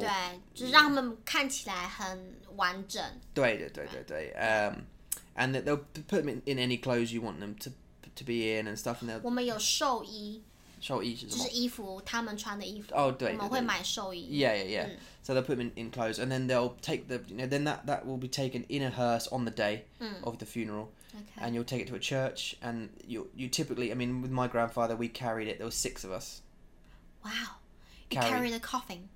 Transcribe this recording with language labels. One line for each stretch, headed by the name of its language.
Chinese: 对，就是让他们看起来很完整。对，对，对，对，对。
English: And they'll put them in any clothes you want them to be in and stuff. And they'll...
Chinese: 我们有兽医。兽医是什么？就是衣服，他们穿的衣服。哦，对，我们会买兽衣。Yeah.
English: So they'll put them in clothes, and then they'll take the, you know, then that will be taken in a hearse on the day of the funeral. Okay. And you'll take it to a church, and you typically, I mean, with my grandfather, we carried it. There were six of us. Wow. You carry the coffin.